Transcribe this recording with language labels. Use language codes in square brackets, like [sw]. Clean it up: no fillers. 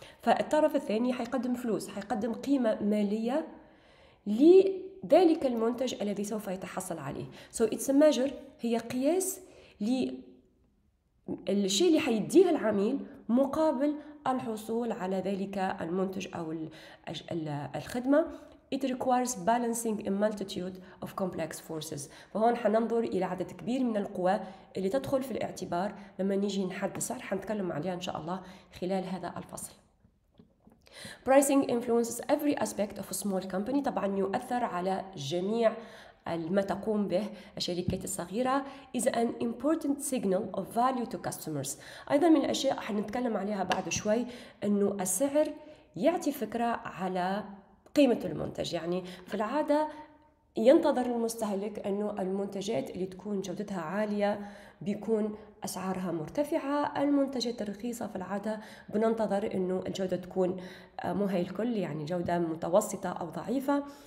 [ar] فالطرف الثاني حيقدم فلوس، حيقدم قيمه ماليه لذلك المنتج الذي سوف يتحصل عليه. [en] So it's a measure، [ar] هي قياس للشيء اللي حيديه العميل مقابل الحصول على ذلك المنتج أو الخدمة. [en] It requires balancing a multitude of complex forces. [ar] فهون حننظر إلى عدد كبير من القوى اللي تدخل في الاعتبار لما نيجي نحدد السعر، حنتكلم عليها إن شاء الله خلال هذا الفصل. [en] Pricing influences every aspect of a small company. [ar] طبعا يؤثر على جميع ما تقوم به الشركات الصغيرة. [en] Is an important signal of value to customers. [ar] أيضا من الأشياء حنتكلم عليها بعد شوي أنه السعر يعطي فكرة على قيمة المنتج. يعني في العادة ينتظر المستهلك أنه المنتجات اللي تكون جودتها عالية بيكون أسعارها مرتفعة، المنتجات الرخيصة في العادة بننتظر أنه الجودة تكون مو هي الكل، يعني جودة متوسطة أو ضعيفة.